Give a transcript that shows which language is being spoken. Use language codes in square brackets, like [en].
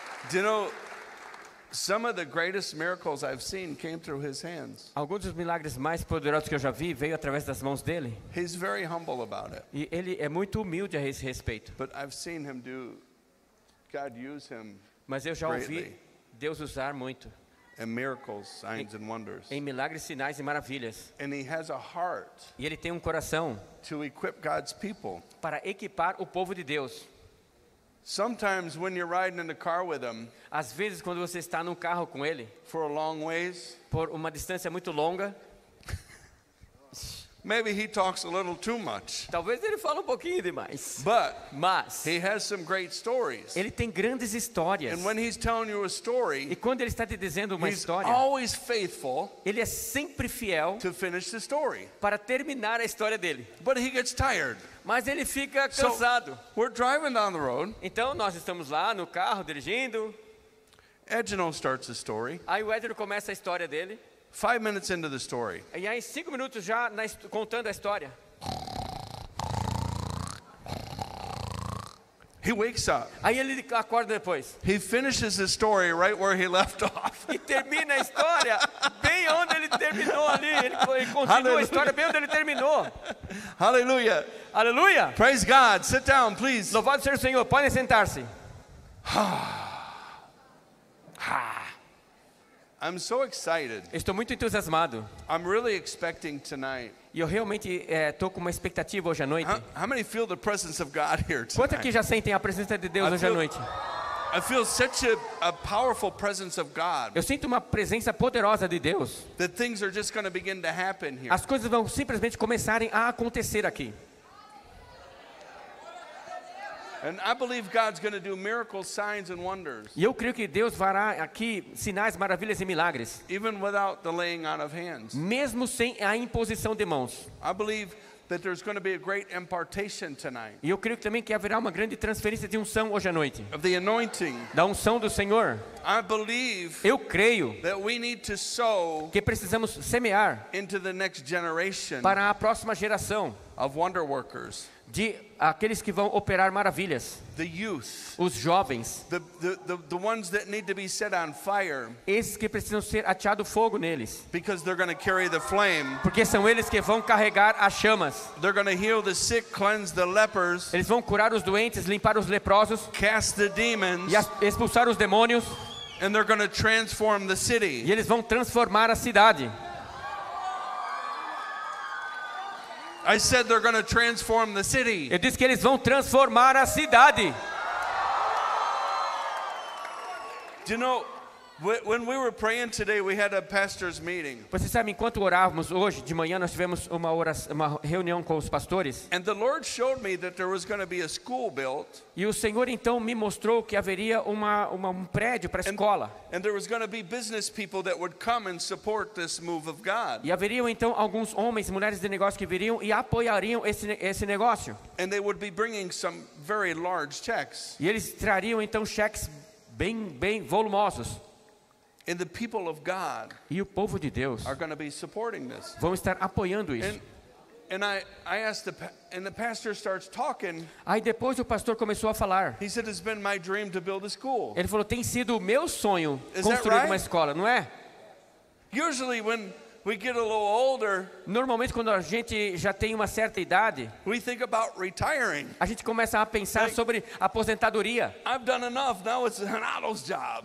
[en] You know, some of the greatest miracles I've seen came through his hands. [pt] Alguns dos milagres mais poderosos que eu já vi veio através das mãos dele. [en] He's very humble about it. [pt] E ele é muito humilde a esse respeito. [en] But I've seen him do, God use him. [pt] Mas eu já ouvi Deus usar muito. [en] And miracles, signs and wonders. [pt] Em milagres, sinais e maravilhas. [en] And he has a heart. [pt] E ele tem um coração. [en] To equip God's people. [pt] Para equipar o povo de Deus. [en] Sometimes when you're riding in the car with him. [pt] Às vezes quando você está num carro com ele. [en] For a long ways. [pt] Por uma distância muito longa. [en] Maybe he talks a little too much. [pt] Talvez ele fale um pouquinho demais. [en] But [pt] mas [en] he has some great stories. [pt] Ele tem grandes histórias. [en] And when he's telling you a story, [pt] e quando ele está te dizendo uma história, [en] he's always faithful. [pt] Ele é sempre fiel [en] to finish the story. [pt] Para terminar a história dele. [en] But he gets tired. [pt] Mas ele fica cansado. [en] So, we're driving down the road. [pt] Então nós estamos lá no carro dirigindo. [en] Edinal starts the story. [pt] Aí o Edinal começa a história dele. [en] 5 minutes into the story. [pt] E aí 5 minutos já contando a história. [en] He wakes up. [pt] Aí ele acorda depois. [en] He finishes the story right where he left off. [pt] E termina a história bem onde ele terminou ali. Ele continua [en] Hallelujah. [pt] A história bem onde ele terminou. Aleluia. Aleluia. [en] Praise God. Sit down, please. [pt] Louvado seja o Senhor. Podem sentar-se. [en] I'm so excited. [pt] Estou muito entusiasmado. [en] I'm really expecting tonight. [pt] E eu realmente estou com uma expectativa hoje à noite. [en] How many feel the presence of God here tonight? [pt] Quantos aqui já sentem a presença de Deus hoje à noite? [en] I feel such a powerful presence of God. [pt] Eu sinto uma presença poderosa de Deus. [en] That things are just going to begin to happen here. [pt] As coisas vão simplesmente começarem a acontecer aqui. [en] And I believe God's going to do miracles, signs and wonders. [pt] E eu creio que Deus fará aqui sinais, maravilhas e milagres. [en] Even without the laying on of hands. [pt] Mesmo sem a imposição de mãos. [en] I believe that there's going to be a great impartation tonight. [pt] E eu creio também que haverá uma grande transferência de unção hoje à noite. [en] Of the anointing. [pt] Da unção do Senhor. [en] I believe. [pt] Eu creio. [en] That we need to sow. [pt] Que precisamos semear. [en] Into the next generation. [pt] Para a próxima geração. [en] Of wonder workers. [pt] De aqueles que vão operar maravilhas. [en] The youth, [pt] os jovens. [en] The ones that need to be set on fire, [pt] esses que precisam ser ateado fogo neles. [en] Because they're gonna carry the flame, [pt] porque são eles que vão carregar as chamas. [en] They're gonna heal the sick, cleanse the lepers, [pt] eles vão curar os doentes, limpar os leprosos. [en] Cast the demons, [pt] e expulsar os demônios. [en] And they're gonna transform the city. [pt] E eles vão transformar a cidade. [en] I said they're going to transform the city. [pt] Eu disse que eles vão transformar a cidade. [en] Do you know, when we were praying today, we had a pastor's meeting. [pt] Você sabe, enquanto orávamos hoje de manhã, nós tivemos uma reunião com os pastores. [en] And the Lord showed me that there was going to be a school built. [pt] E o Senhor então me mostrou que haveria um prédio para a escola. [en] And there was going to be business people that would come and support this move of God. [pt] E haveriam então alguns homens e mulheres de negócio que viriam e apoiariam esse negócio. [en] And they would be bringing some very large checks. [pt] E eles trariam então cheques bem volumosos. [en] And the people of God [pt] e o povo de Deus [en] are going to be supporting this. [pt] Vão estar apoiando isso. [en] And, And the pastor starts talking. [pt] Aí depois o pastor começou a falar. [en] He said it's been my dream to build a school. [pt] Ele falou, tem sido o meu sonho construir uma escola, não é? [en] Usually when we get a little older, [pt] normalmente quando a gente já tem uma certa idade, [en] we think about retiring. [pt] A gente começa a pensar like, sobre aposentadoria. [en] I've done enough, now it's Renato's job.